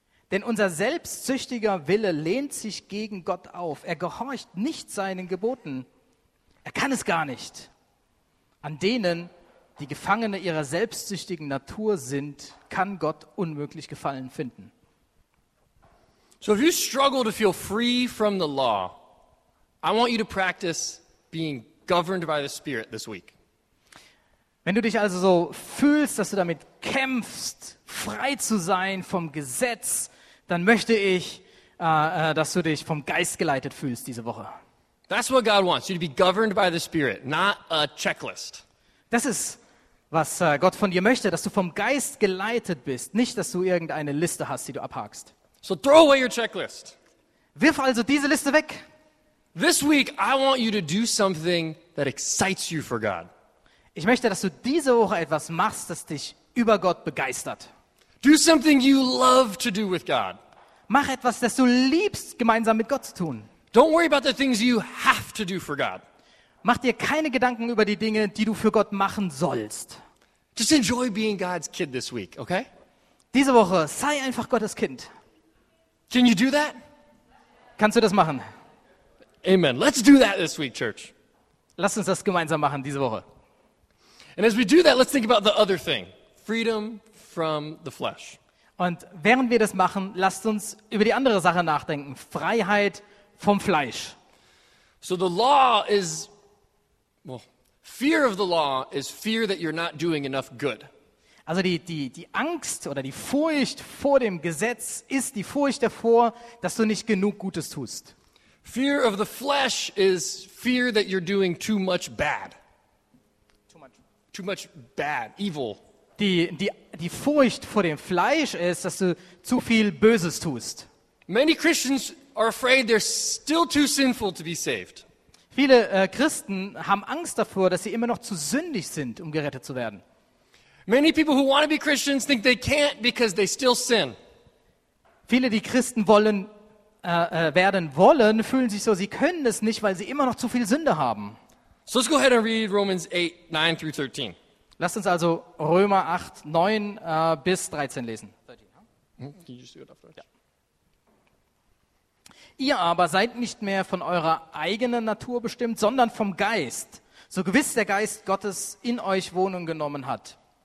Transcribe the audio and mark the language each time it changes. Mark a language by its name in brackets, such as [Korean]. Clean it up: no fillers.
[German] Denn unser selbstsüchtiger Wille lehnt sich gegen Gott auf. Er gehorcht nicht seinen Geboten. Er kann es gar nicht. An denen, die Gefangene ihrer selbstsüchtigen Natur sind, kann Gott unmöglich Gefallen finden. [English] So if you struggle to feel free from the law, I want you to practice being governed by the Spirit this week. [German] Wenn du dich also so fühlst, dass du damit kämpfst, frei zu sein vom Gesetz, dann möchte ich, dass du dich vom Geist geleitet fühlst diese Woche. [English] That's what God wants, you to be governed by the Spirit, not a checklist. [German] Das ist, was Gott von dir möchte, dass du vom Geist geleitet bist, nicht, dass du irgendeine Liste hast, die du abhakst. [English] So throw away your checklist. [German] Wirf also diese Liste weg. [English] This week I want you to do something that excites you for God. [German] Ich möchte, dass du diese Woche etwas machst, das dich über Gott begeistert. [English] Do something you love to do with God. [German] Mach etwas, das du liebst, gemeinsam mit Gott zu tun. [English] Don't worry about the things you have to do for God. [German] Mach dir keine Gedanken über die Dinge, die du für Gott machen sollst. [English] Just enjoy being God's kid this week, okay? [German] Diese Woche sei einfach Gottes Kind. [English] Can you do that? [German] Kannst du das machen? [English] Amen. Let's do that this week, church. [German] Lass uns das gemeinsam machen diese Woche. [English] And as we do that, let's think about the other thing. Freedom from the flesh. [German] Und während wir das machen, lasst uns über die andere Sache nachdenken. Freiheit vom Fleisch. [English] So the law is, well, fear of the law is fear that you're not doing enough good. [German] Also die Angst oder die Furcht vor dem Gesetz ist die Furcht davor, dass du nicht genug Gutes tust. [English] Fear of the flesh is fear that you're doing too much bad. Too much bad, evil. [German] Die Furcht vor dem Fleisch ist, dass du zu viel Böses tust. [English] Many Christians are afraid they're still too sinful to be saved. [German] Viele Christen haben Angst davor, dass sie immer noch zu sündig sind, um gerettet zu werden. [English] Many people who want to be Christians think they can't because they still sin. [German] Viele, die Christen wollen werden wollen, fühlen sich so, sie können es nicht, weil sie immer noch zu viel Sünde haben. [English] So let's go ahead and read Romans 8, 9 through 13. [German] Lasst uns also Römer 8, 9 bis 13 lesen. Ihr aber seid nicht mehr von eurer eigenen Natur bestimmt, sondern vom Geist, so gewiss der Geist Gottes in euch Wohnung genommen hat.